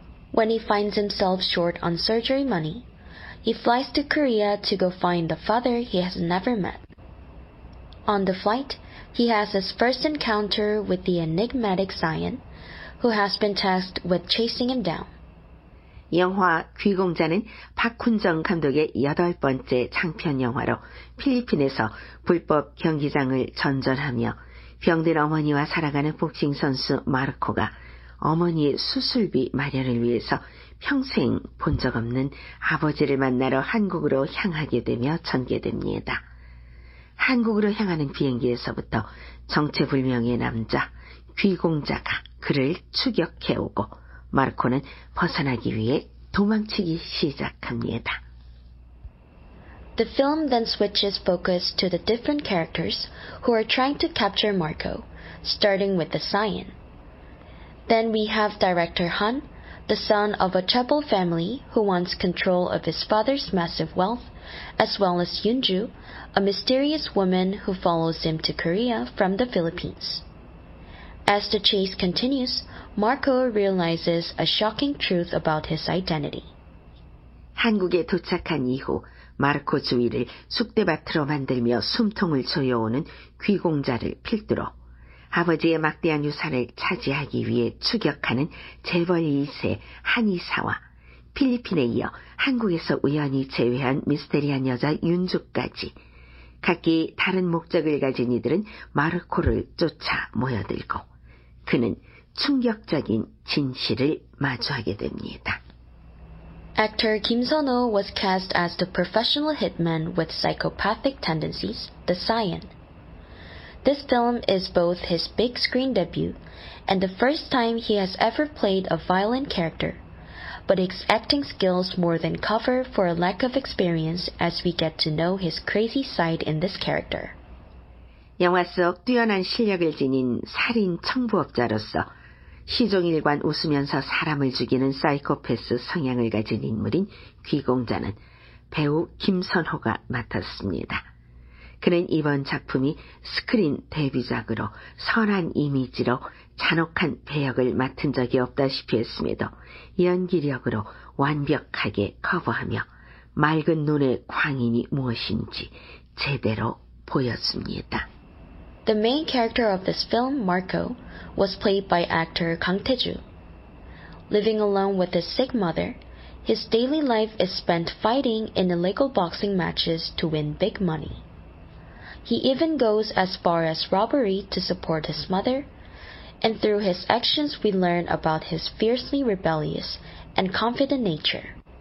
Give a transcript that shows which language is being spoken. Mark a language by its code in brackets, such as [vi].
[en] When he finds himself short on surgery money, he flies to Korea to go find the father he has never met. On the flight, he has his first encounter with the enigmatic Zion, who has been tasked with chasing him down. [ko] 영화 귀공자는 박훈정 감독의 여덟 번째 장편 영화로 필리핀에서 불법 경기장을 전전하며 병든 어머니와 살아가는 복싱 선수 마르코가 어머니의 수술비 마련을 위해서 평생 본 적 없는 아버지를 만나러 한국으로 향하게 되며 전개됩니다. 한국으로 향하는 비행기에서부터 정체불명의 남자 귀공자가 그를 추격해오고 마르코는 벗어나기 위해 도망치기 시작합니다. [en] The film then switches focus to the different characters who are trying to capture Marco, starting with the Zion. Then we have director Han, the son of a troubled family who wants control of his father's massive wealth, as well as Yunju, a mysterious woman who follows him to Korea from the Philippines. As the chase continues, Marco realizes a shocking truth about his identity. [ko] 한국에 도착한 이후 마르코 주위를 숙대밭으로 만들며 숨통을 조여오는 귀공자를 필두로 아버지의 막대한 유산을 차지하기 위해 추격하는 재벌 2세 한이사와 필리핀에 이어 한국에서 우연히 재회한 미스테리한 여자 윤주까지 각기 다른 목적을 가진 이들은 마르코를 쫓아 모여들고 그는 충격적인 진실을 마주하게 됩니다. [en] Actor Kim Sun-ho was cast as the professional hitman with psychopathic tendencies, the Zion. This film is both his big screen debut and the first time he has ever played a violent character, but his acting skills more than cover for a lack of experience as we get to know his crazy side in this character. [ko] 영화 속 뛰어난 실력을 지닌 살인 청부업자로서 시종일관 웃으면서 사람을 죽이는 사이코패스 성향을 가진 인물인 귀공자는 배우 김선호가 맡았습니다. 그는 이번 작품이 스크린 데뷔작으로 선한 이미지로 잔혹한 배역을 맡은 적이 없다시피 했음에도 연기력으로 완벽하게 커버하며 맑은 눈의 광인이 무엇인지 제대로 보였습니다. [en] The main character of this film, Marco, was played by actor Kang Tae-joo. Living alone with his sick mother, his daily life is spent fighting in illegal boxing matches to win big money. He even goes as far as robbery to support his mother, and through his actions we learn about his fiercely rebellious and confident nature.